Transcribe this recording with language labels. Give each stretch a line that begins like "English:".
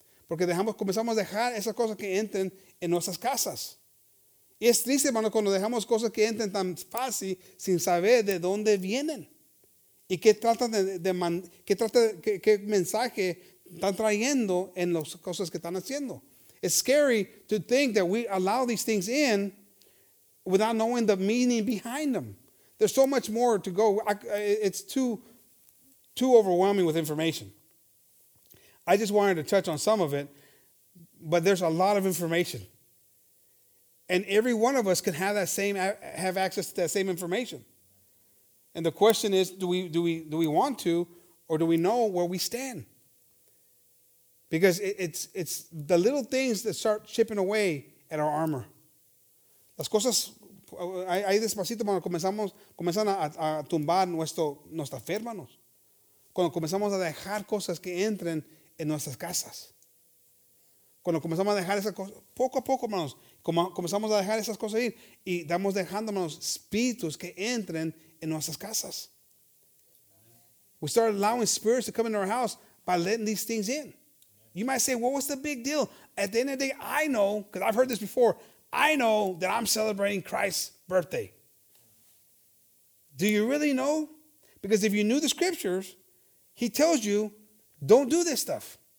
Spanish: Porque comenzamos a dejar esas cosas que entren en nuestras casas. Y es triste, hermanos, cuando dejamos cosas que entren tan fácil sin saber de dónde vienen. Y qué mensaje están trayendo en las cosas que están haciendo.
English: It's scary to think that we allow these things in without knowing the meaning behind them. There's so much more to go. It's too overwhelming with information. I just wanted to touch on some of it, but there's a lot of information. And every one of us can have access to that same information. And the question is, do we want to, or do we know where we stand? Because it's the little things that start chipping away at our armor.
Spanish: Las cosas, ahí despacito cuando comenzan a tumbar nuestra fe, hermanos. Cuando comenzamos a dejar cosas que entren en nuestras casas. Cuando comenzamos a dejar esas cosas, poco a poco, hermanos, comenzamos a dejar esas cosas ir. Y estamos dejando, hermanos, espíritus que entren en nuestras casas.
English: We start allowing spirits to come into our house by letting these things in. You might say, well, what's the big deal? At the end of the day, I know, because I've heard this before, I know that I'm celebrating Christ's birthday. Do you really know? Because if you knew the scriptures, he tells you, don't do this stuff.